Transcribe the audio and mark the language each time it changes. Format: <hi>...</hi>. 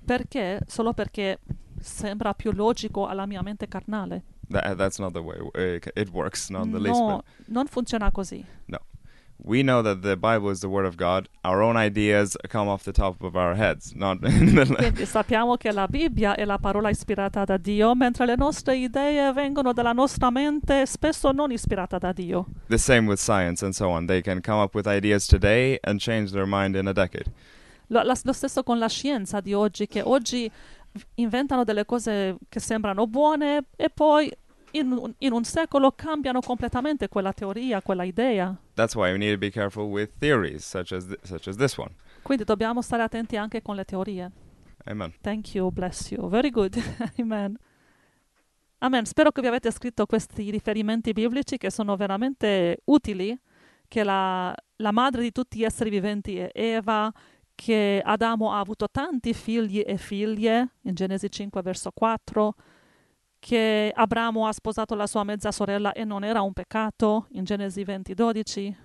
<it>Perché? Solo perché sembra più logico alla mia mente carnale.</it> <en>That's not the way it works, not in the least.</en> <it>No, non funziona così. No.</it> <en>We know that the Bible is the word of God. Our own ideas come off the top of our heads, not in the</en> <it>quindi sappiamo che la Bibbia è la parola ispirata da Dio, mentre le nostre idee vengono dalla nostra mente, spesso non ispirata da Dio.</it> <en>The same with science and so on. They can come up with ideas today and change their mind in a decade.</en> <it>Lo stesso con la scienza di oggi, che oggi inventano delle cose che sembrano buone e poi in un secolo cambiano completamente quella teoria, quella idea.</it> <en>That's why we need to be careful with theories such as this one.</en> <it>Quindi dobbiamo stare attenti anche con le teorie. Amen.</it> <en>Thank you, bless you. Very good. Amen. Amen.</en> <it>Spero che vi avete scritto questi riferimenti biblici che sono veramente utili, che la madre di tutti gli esseri viventi è Eva, che Adamo ha avuto tanti figli e figlie in Genesi 5 verso 4, che Abramo ha sposato la sua mezza sorella e non era un peccato, in Genesi 20:12.</it>